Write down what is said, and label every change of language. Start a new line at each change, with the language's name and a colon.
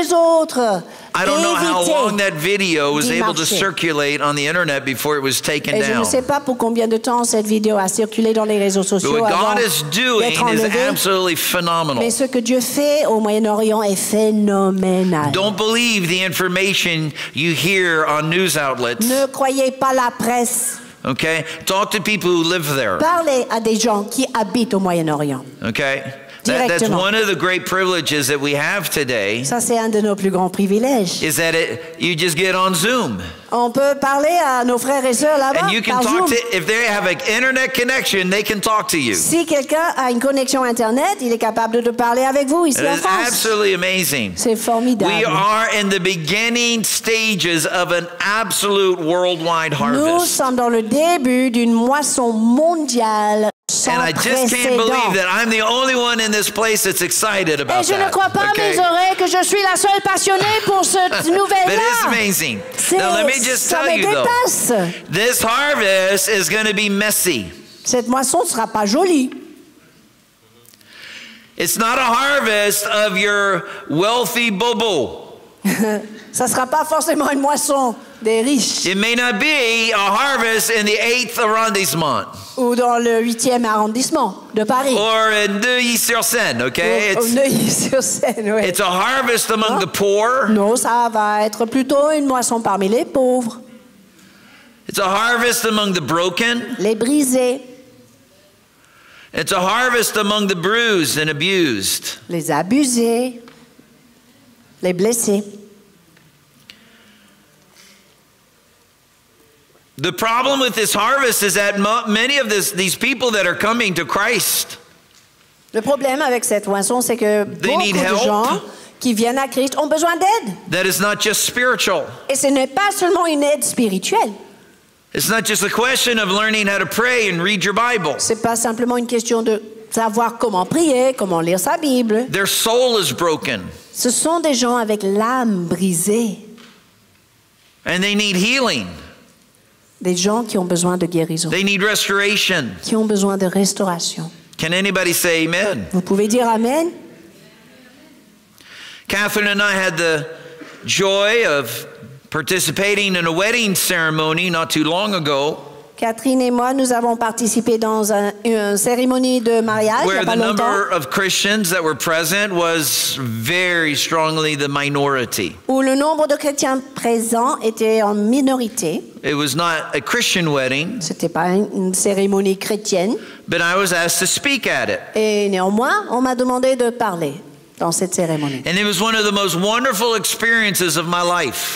English: I don't know how long that video was able to circulate on the internet before it was taken down.
French: Je ne sais pas pour combien de temps cette vidéo a circulé dans les réseaux sociaux avant d'être enlevée.
English: What God is doing is absolutely phenomenal.
French: Mais ce que Dieu fait au Moyen-Orient est phénoménal.
English: Don't believe the information you hear on news outlets.
French: Ne croyez pas la presse.
English: Okay, talk to people who live there.
French: Parlez à des gens qui habitent au Moyen-Orient.
English: Okay. That's one of the great privileges that we have today.
French: Ça, c'est un de nos plus grands privilèges.
English: Is that you just get on Zoom.
French: On peut parler à nos frères et sœurs là-bas.
English: And you can talk to, if they have an internet connection, they can talk to you.
French: Si quelqu'un a une connexion internet, il est capable de parler avec vous ici en France.
English: It's absolutely amazing.
French: C'est formidable.
English: We are in the beginning stages of an absolute worldwide harvest.
French: Nous sommes dans le début d'une moisson mondiale
English: And I just can't believe that I'm the only one in this place that's excited about that.
French: Et je ne crois pas mes oreilles que je suis la seule passionnée pour cette nouvelle-là.
English: That is amazing. Now let me just tell you though. This harvest is going to be messy.
French: Cette moisson sera pas jolie.
English: It's not a harvest of your wealthy bubble.
French: Ça sera pas forcément une moisson des riches.
English: It may not be a harvest in the 8th arrondissement.
French: Ou dans le 8e arrondissement de Paris.
English: Or in Neuilly-sur-Seine, okay?
French: Neuilly-sur-Seine, oui.
English: It's a harvest among the poor.
French: Non, ça va être plutôt une moisson parmi les pauvres.
English: It's a harvest among the broken.
French: Les brisés.
English: It's a harvest among the bruised and abused.
French: Les abusés. Les blessés.
English: The problem with this harvest is that many of these people that are coming to Christ.
French: Le problème avec cette moisson, c'est que beaucoup de gens qui viennent à Christ ont besoin d'aide.
English: That is not just spiritual.
French: Et ce n'est pas seulement une aide spirituelle.
English: It's not just a question of learning how to pray and read your Bible.
French: C'est pas simplement une question de savoir comment prier, comment lire sa Bible.
English: Their soul is broken.
French: Ce sont des gens avec l'âme brisée.
English: And they need healing.
French: Des gens qui ont besoin de guérison.
English: They need restoration.
French: Qui ont besoin de restauration.
English: Can anybody say amen?
French: Vous pouvez dire amen?
English: Kathryn and I had the joy of participating in a wedding ceremony not too long ago.
French: Kathryn et moi, nous avons participé dans une cérémonie de mariage.
English: Where the number of Christians that were present was very strongly the minority.
French: Où le nombre de chrétiens présents était en minorité.
English: It was not a Christian wedding.
French: C'était pas une cérémonie chrétienne.
English: But I was asked to speak at it.
French: Et néanmoins, on m'a demandé de parler dans cette cérémonie.
English: And it was one of the most wonderful experiences of my life.